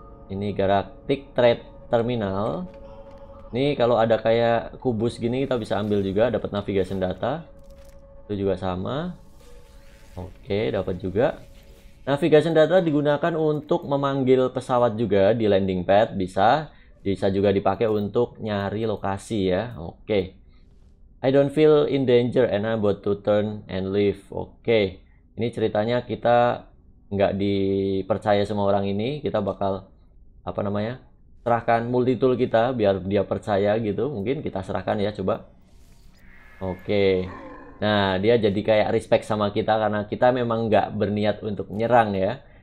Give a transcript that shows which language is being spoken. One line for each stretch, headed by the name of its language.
Indonesian: Ini galactic trade terminal. Ini kalau ada kayak kubus gini, kita bisa ambil juga, dapat navigation data. Itu juga sama. Oke, dapat juga. Navigation data digunakan untuk memanggil pesawat juga di landing pad, bisa. Bisa juga dipakai untuk nyari lokasi ya. Oke.
English: I don't feel in danger and I'm about to turn and leave.
Indonesian: Oke. Ini ceritanya kita nggak dipercaya sama orang ini, kita bakal apa namanya? Serahkan multitool kita biar dia percaya gitu. Mungkin kita serahkan ya, coba. Oke. Nah, dia jadi kayak respect sama kita karena kita memang nggak berniat untuk nyerang ya.